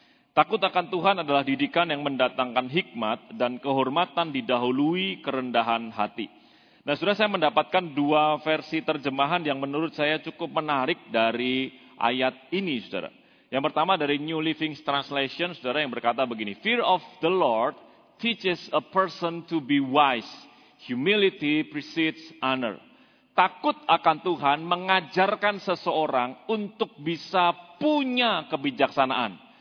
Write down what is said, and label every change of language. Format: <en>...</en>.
<id>Takut akan Tuhan adalah didikan yang mendatangkan hikmat, dan kehormatan didahului kerendahan hati. Nah, sudah saya mendapatkan dua versi terjemahan yang menurut saya cukup menarik dari ayat ini, saudara. Yang pertama dari New Living Translation, saudara, yang berkata begini.</id> <en>Fear of the Lord teaches a person to be wise. Humility precedes honor.</en> <id>Takut akan Tuhan mengajarkan seseorang untuk bisa punya kebijaksanaan.</id>